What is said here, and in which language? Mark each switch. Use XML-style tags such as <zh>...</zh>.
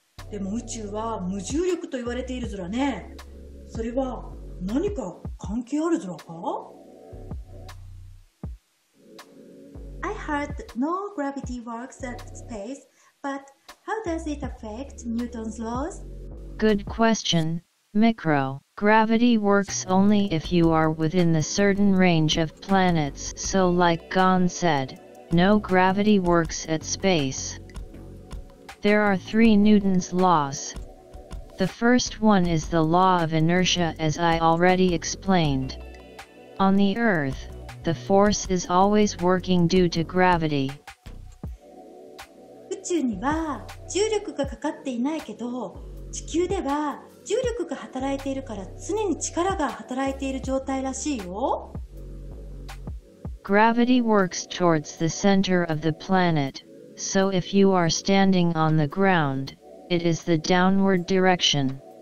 <ja>でも宇宙は無重力と言われているずらね。それは何か関係あるずらか？</ja> <en>I heard no gravity works at space, but how does it affect Newton's laws? Good question, Mikro. Gravity works only if you are within the certain range of planets, so like Gon said, no gravity works at space. There are three Newton's laws. The first one is the law of inertia, as I already explained. On the Earth,The force is always working due to gravity.</en> <ja>宇宙には重力がかかっていないけど、地球では重力が働いているから常に力が働いている状態らしいよ。</ja> <en>Gravity works towards the center of the planet, so if you are standing on the ground, it is the downward direction.</en>